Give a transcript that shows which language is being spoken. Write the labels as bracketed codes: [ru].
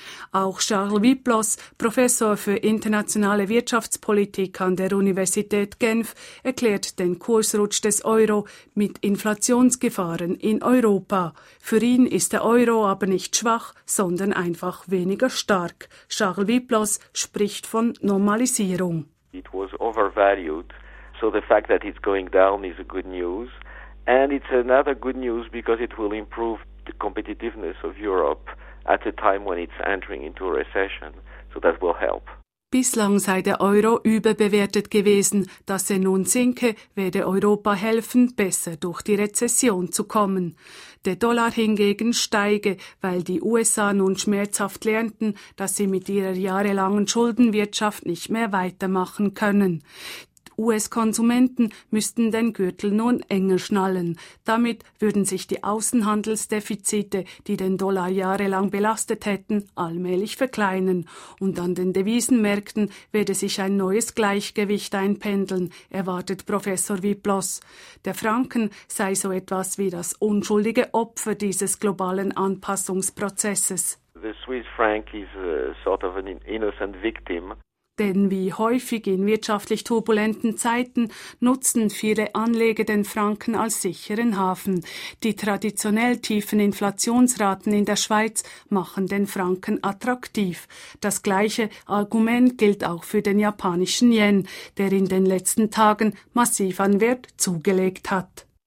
[de] Auch Charles Wiplos, Professor für internationale Wirtschaftspolitik an der Universität Genf, erklärt den Kursrutsch des Euro mit Inflationsgefahren in Europa. Für ihn ist der Euro aber nicht schwach, sondern einfach weniger stark. Charles Wiplos spricht von Normalisierung. [en] It was overvalued, so the fact that it's going down is a good news. And it's another good news because it will improve the competitiveness of Europe at a time when it's entering into a recession. So that will help. [de] Bislang sei der Euro überbewertet gewesen. Dass er nun sinke, werde Europa helfen, besser durch die Rezession zu kommen. Der Dollar hingegen steige, weil die USA nun schmerzhaft lernten, dass sie mit ihrer jahrelangen Schuldenwirtschaft nicht mehr weitermachen können. US-Konsumenten müssten den Gürtel nun enger schnallen. Damit würden sich die Außenhandelsdefizite, die den Dollar jahrelang belastet hätten, allmählich verkleinen. Und an den Devisenmärkten werde sich ein neues Gleichgewicht einpendeln, erwartet Professor Wiplos. Der Franken sei so etwas wie das unschuldige Opfer dieses globalen Anpassungsprozesses. [en] The Swiss franc is a sort of an innocent victim. [de] Denn wie häufig in wirtschaftlich turbulenten Zeiten nutzen viele Anleger den Franken als sicheren Hafen. Die traditionell tiefen Inflationsraten in der Schweiz machen den Franken attraktiv. Das gleiche Argument gilt auch für den japanischen Yen, der in den letzten Tagen massiv an Wert zugelegt hat.